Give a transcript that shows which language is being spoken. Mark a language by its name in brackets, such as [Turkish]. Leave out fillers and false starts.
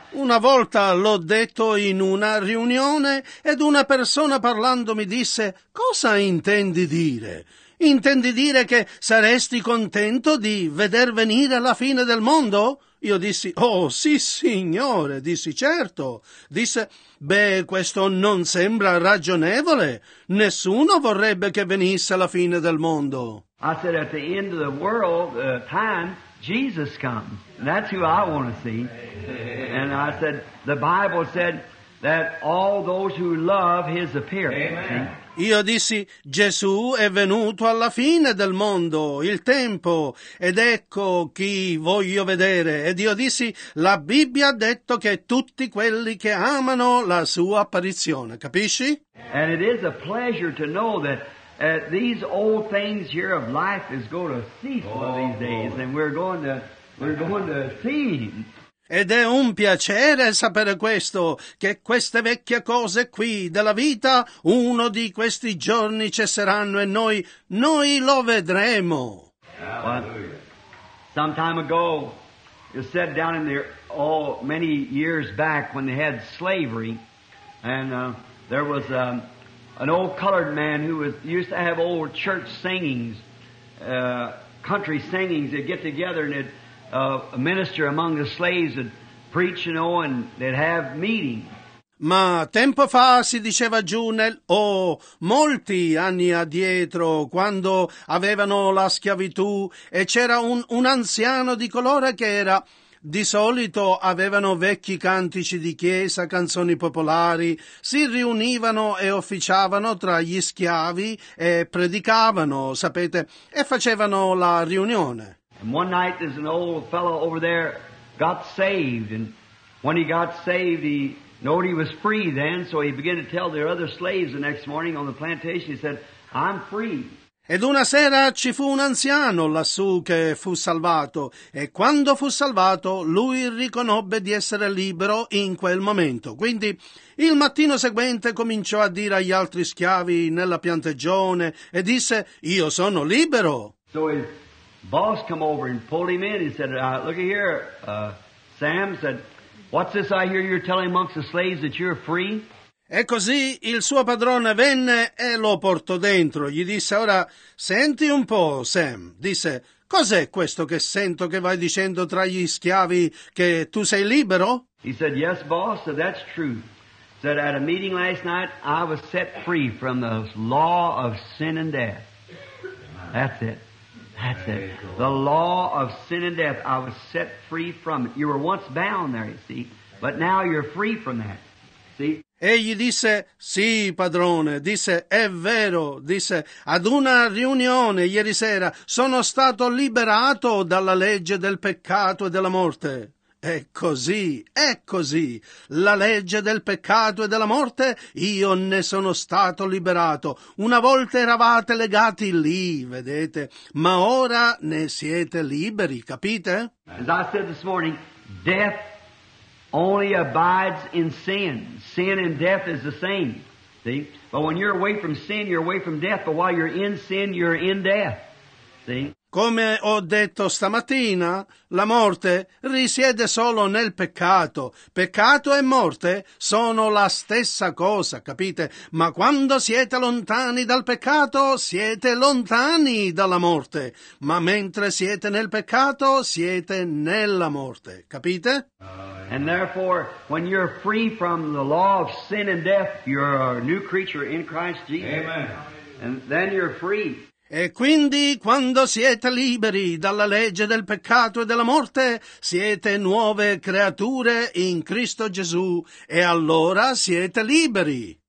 [Italian] Una volta l'ho detto in una riunione ed una persona parlando mi disse, "Cosa intendi dire? Intendi dire che saresti contento di veder venire la fine del mondo?" Io dissi, "Oh, sì, signore," dissi, "certo." Disse, "Beh, questo non sembra ragionevole. Nessuno vorrebbe che venisse la fine del mondo." [English] I said, "At the end of the world, time, Jesus comes. That's who I want to see." And I said, "The Bible said that all those who love His appearance." Amen. [Italian] Io dissi, Gesù è venuto alla fine del mondo, il tempo, ed ecco chi voglio vedere. Ed io dissi, la Bibbia ha detto che tutti quelli che amano la sua apparizione, capisci? [English] And it is a pleasure to know that these old things here of life is going to cease one of these days, and we're going to see. [Italian] Ed è un piacere sapere questo, che queste vecchie cose qui della vita, uno di questi giorni cesseranno e noi lo vedremo. [English] Some time ago, it said down in there, many years back when they had slavery, and there was an old colored man who used to have old church singings, country singings, they'd get together and a minister among the slaves would preach, you know, and they'd have meetings. [Italian] Ma tempo fa si diceva giù nel molti anni addietro, quando avevano la schiavitù, e c'era un anziano di colore che era. Di solito avevano vecchi cantici di chiesa, canzoni popolari, si riunivano e officiavano tra gli schiavi e predicavano, sapete, e facevano la riunione. [English] And one night there's an old fellow over there got saved, and when he got saved he knowed he was free then, so he began to tell their other slaves the next morning on the plantation, he said, "I'm free." [Italian] Ed una sera ci fu un anziano lassù che fu salvato, e quando fu salvato lui riconobbe di essere libero in quel momento. Quindi il mattino seguente cominciò a dire agli altri schiavi nella piantagione e disse, "Io sono libero." [English] So boss come over and pulled him in. He said, "Look here, Sam," said, "what's this I hear you're telling amongst the slaves that you're free?" [Italian] E così il suo padrone venne e lo portò dentro. Gli disse, "Ora, senti un po', Sam," disse, "cos'è questo che sento che vai dicendo tra gli schiavi che tu sei libero?" [English] He said, "Yes, boss, so that's true. Said, at a meeting last night, I was set free from the law of sin and death." That's it. That's it. The law of sin and death, I was set free from it. You were once bound there, you see, but now you're free from that, see? [Italian] Egli disse, "Sì, padrone," disse, "è vero," disse, "ad una riunione ieri sera sono stato liberato dalla legge del peccato e della morte." è così, la legge del peccato e della morte, io ne sono stato liberato. Una volta eravate legati lì, vedete, ma ora ne siete liberi, capite? [English] As I said this morning, death only abides in sin. Sin and death is the same. See? But when you're away from sin, you're away from death, but while you're in sin, you're in death. See? [Italian] Come ho detto stamattina, la morte risiede solo nel peccato. Peccato e morte sono la stessa cosa, capite? Ma quando siete lontani dal peccato, siete lontani dalla morte. Ma mentre siete nel peccato, siete nella morte, capite? [English] And therefore, when you're free from the law of sin and death, you're a new creature in Christ Jesus. Amen. And then you're free. [Italian] E quindi, quando siete liberi dalla legge del peccato e della morte, siete nuove creature in Cristo Gesù, e allora siete liberi.